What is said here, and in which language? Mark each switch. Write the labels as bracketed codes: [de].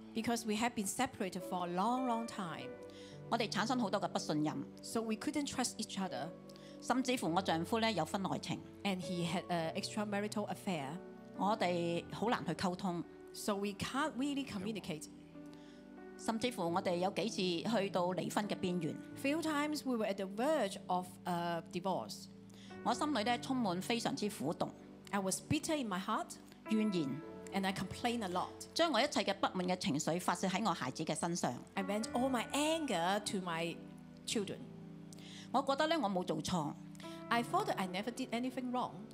[en] Because we have been separated for a long, long time， [yue] 我哋產生好多嘅不信任。So [en] we couldn't trust each other， [yue] 甚至乎我丈夫咧有婚外情。 [en] And he had an extramarital affair， [yue] 我哋好難去溝通。 [en] So we can't really communicate。 [yue] 甚至乎我哋有幾次去到離婚嘅邊緣。Few [en] times we were at the verge of a divorce. [yue] 我心裏咧充滿非常之苦毒。I [en] was bitter in my heart. [yue] 怨言。And [en] I complained a lot. [yue] 將我一切嘅不滿嘅情緒發泄喺我孩子嘅身上。I [en] vent all my anger to my children. [yue] 我覺得咧我冇做錯。I [en] thought I never did anything wrong.